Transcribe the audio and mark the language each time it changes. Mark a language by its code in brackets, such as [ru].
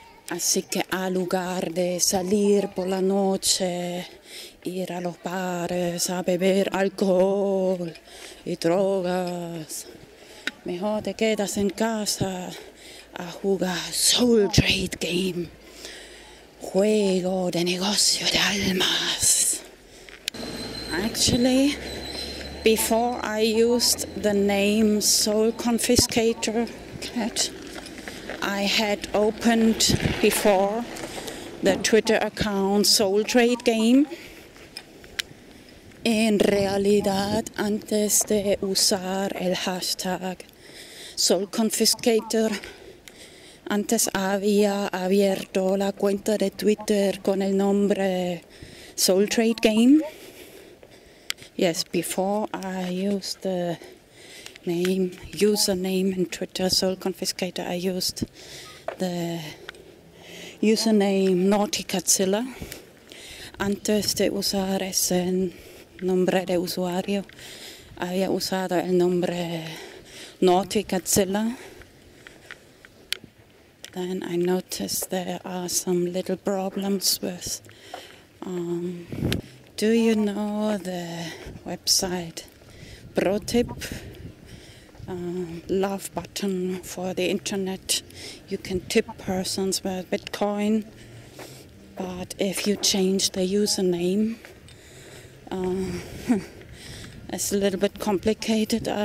[es] Así que a lugar de salir por la noche, ir a los bares a beber alcohol y drogas, mejor te quedas en casa a jugar Soul Trade Game, juego de negocio de almas. [en] Actually, before I used the name Soul Confiscator Cat, I had opened before the Twitter account Soul Trade Game. [es] En realidad, antes de usar el hashtag Soul Confiscator, antes había abierto la cuenta de Twitter con el nombre Soul Trade Game. [en] Yes, before I used the username in Twitter, Soul Confiscator, I used the username Naughty Godzilla. [es] Antes de usar ese nombre de usuario, había usado el nombre Naughty Godzilla. [en] Then I noticed there are some little problems with... do you know the website Pro Tip? Love button for the internet. You can tip persons with Bitcoin, but if you change the username, it's a little bit complicated.